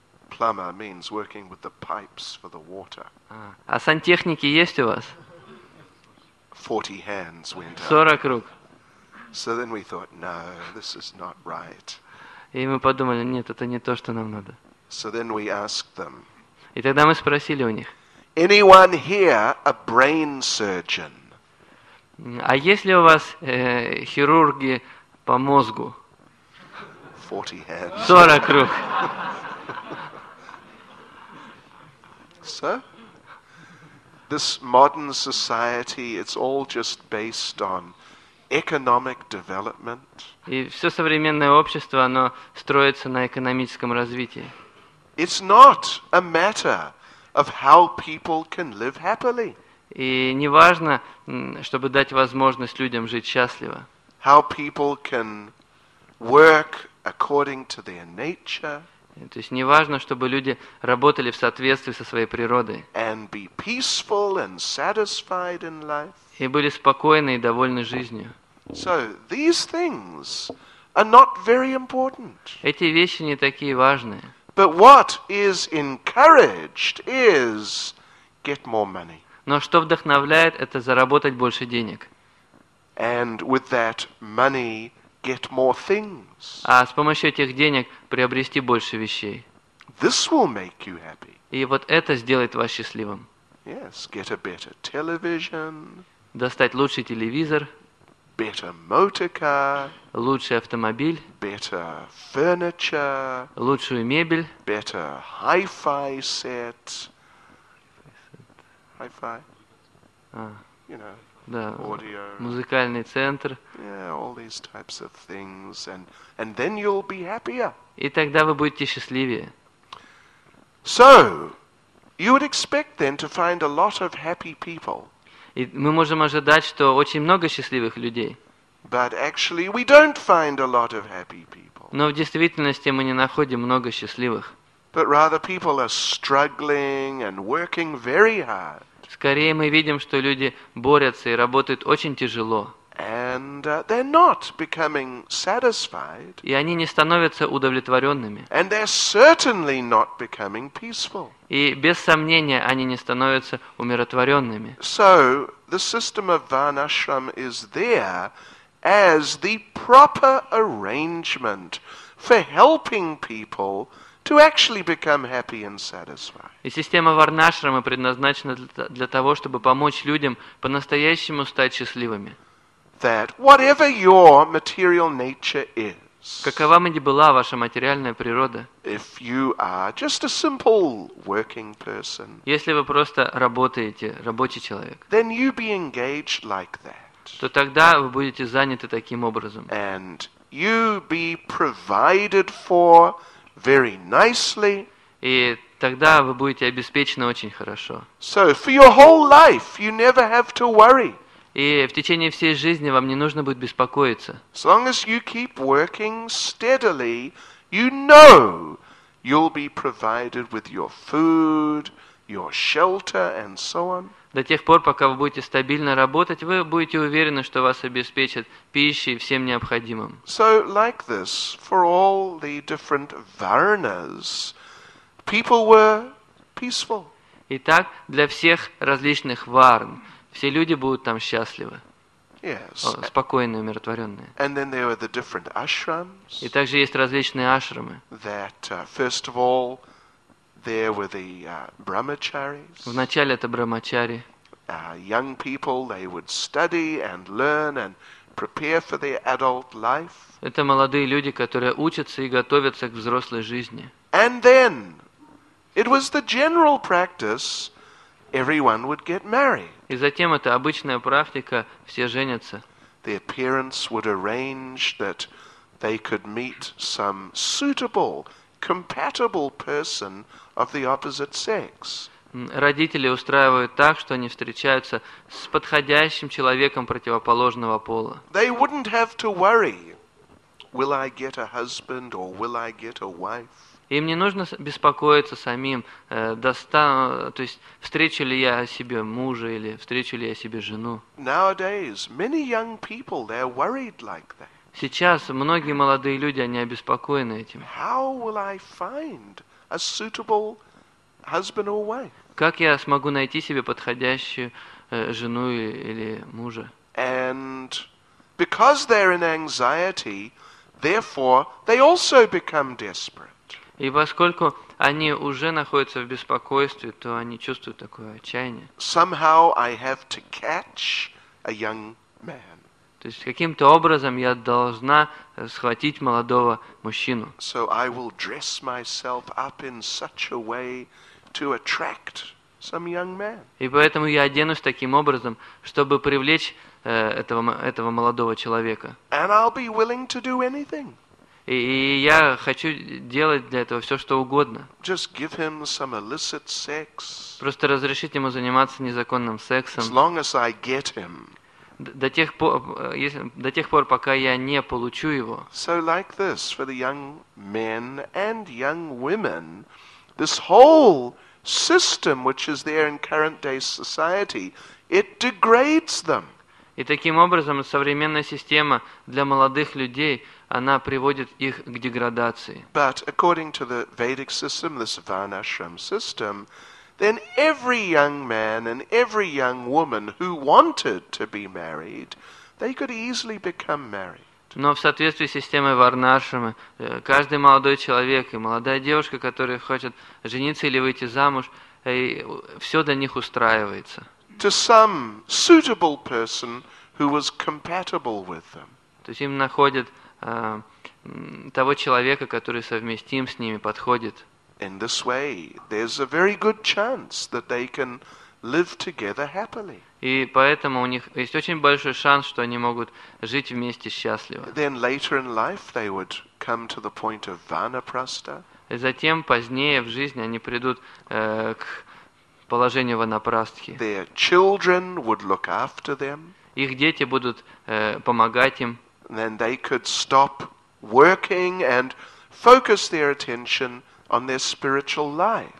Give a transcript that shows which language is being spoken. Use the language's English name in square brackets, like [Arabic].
[English] Plumber means working with the pipes for the water. [Russian] А сантехники есть у вас? [English] 40 hands went up. [Russian] 40 рук. [English] So then we thought, no, this is not right. [Russian] И мы подумали, нет, это не то, что нам надо. [English] So then we asked them. [Russian] И тогда мы спросили у них. [English] Anyone here a brain surgeon? [Russian] А есть ли у вас хирурги по мозгу? [English] 40 hands. [Russian] 40 рук. [English] So, this modern society, it's all just based on economic development. [Russian] И все современное общество, оно строится на экономическом развитии. [English] It's not a matter of how people can live happily. [Russian] И не важно, чтобы дать возможность людям жить счастливо. [English] How people can work according to their nature. [Russian] То есть не важно, чтобы люди работали в соответствии со своей природой. [English] And be peaceful and satisfied in life. [Russian] И были спокойны и довольны жизнью. [English] So these things are not very important. [Russian] Эти вещи не такие важные. [English] But what is encouraged is get more money. [Russian] Но что вдохновляет, это заработать больше денег. [English] And with that money get more things. [Russian] А с помощью этих денег приобрести больше вещей. [English] This will make you happy. [Russian] И вот это сделает вас счастливым. [English] Yes, get a better television. [Russian] Достать лучший телевизор. [English] Better motor car, [Russian] лучший автомобиль, [English] better furniture, [Russian] лучшую мебель, [English] better hi-fi set, hi-fi, you know, [Russian] да, [English] audio, [Russian] музыкальный центр, [English] yeah, all these types of things, and then you'll be happier. [Russian] И тогда вы будете счастливее. [English] So, you would expect then to find a lot of happy people. [Russian] И мы можем ожидать, что очень много счастливых людей. [English] But actually we don't find a lot of happy people. [Russian] Но в действительности мы не находим много счастливых. [English] But rather people are struggling and working very hard. [Russian] Скорее мы видим, что люди борются и работают очень тяжело. [English] And they're not becoming satisfied. [Russian] И они не становятся удовлетворенными. [English] And they're certainly not becoming peaceful. [Russian] И без сомнения они не становятся умиротворенными. [English] So the system of Varnashram is there as the proper arrangement for helping people to actually become happy and satisfied. [Russian] И система Варнашрама предназначена для того, чтобы помочь людям по-настоящему стать счастливыми. [English] That whatever your material nature is, [Russian] какова бы ни была ваша материальная природа, [English] if you are just a simple working person, [Russian] если вы просто работаете, рабочий человек, [English] then you be engaged like that, [Russian] то тогда вы будете заняты таким образом, [English] and you be provided for very nicely, [Russian] и тогда вы будете обеспечены очень хорошо. [English] So for your whole life, you never have to worry. [Russian] И в течение всей жизни вам не нужно будет беспокоиться. [English] As long as you keep working steadily, you know you'll be provided with your food, your shelter, and so on. [Russian] До тех пор, пока вы будете стабильно работать, вы будете уверены, что вас обеспечат пищей и всем необходимым. [English] So, like this, for all the different varnas, people were peaceful. [Russian] Итак, для всех различных варн, все люди будут там счастливы, [English] yes, [Russian] спокойные, умиротворенные. [English] And then there were the different ashrams. [Russian] И также есть различные ашрамы. [English] That, first of all, there were the brahmacharis. [Russian] Вначале это брахмачари. [English] Young people, they would study and learn and prepare for their adult life. [Russian] Это молодые люди, которые учатся и готовятся к взрослой жизни. [English] And then it was the general practice. Everyone would get married. [Russian] И затем это обычная практика, все женятся. [English] Their parents would arrange that they could meet some suitable, compatible person of the opposite sex. [Russian] Родители устраивают так, что они встречаются с подходящим человеком противоположного пола. [English] They wouldn't have to worry, will I get a husband or will I get a wife? [Russian] Им не нужно беспокоиться самим, то есть встречу ли я себе мужа или встречу ли я себе жену. [English] Nowadays, many young people, they're worried like that. [Russian] Сейчас многие молодые люди, они обеспокоены этим. [English] How will I find a suitable husband or wife? [Russian] Как я смогу найти себе подходящую жену или мужа? [English] And because they're in anxiety, therefore they also become desperate. [Russian] И поскольку они уже находятся в беспокойстве, то они чувствуют такое отчаяние. [English] Somehow I have to catch a young man. [Russian] То есть каким-то образом я должна схватить молодого мужчину. [English] So I will dress myself up in such a way to attract some young man. [Russian] И поэтому я оденусь таким образом, чтобы привлечь этого молодого человека. [English] And I'll be willing to do anything. [Russian] И я хочу делать для этого все, что угодно. [English] Just give him some illicit sex. [Russian] Просто разрешить ему заниматься незаконным сексом. [English] As long as I get him. [Russian] До тех пор, пока я не получу его. [English] So like this, for the young men and young women, this whole system which is there in current day society, it degrades them. [Russian] И таким образом современная система для молодых людей, она приводит их к деградации. [English] But according to the Vedic system, this Varnashram system, then every young man and every young woman who wanted to be married, they could easily become married. [Russian] Но в соответствии с системой Варнашрама, каждый молодой человек и молодая девушка, которые хотят жениться или выйти замуж, все для них устраивается. [English] To some suitable person who was compatible with them. [Russian] То есть им находят того человека, который совместим с ними, подходит. [English] In this way, there's a very good chance that they can live together happily. [Russian] И поэтому у них есть очень большой шанс, что они могут жить вместе счастливо. [English] Then later in life they would come to the point of vanaprastha. [Russian] И затем позднее в жизни они придут к положению ванапрастхи. [English] Their children would look after them. [Russian] Их дети будут помогать им. [English] Then they could stop working and focus their attention on their spiritual life.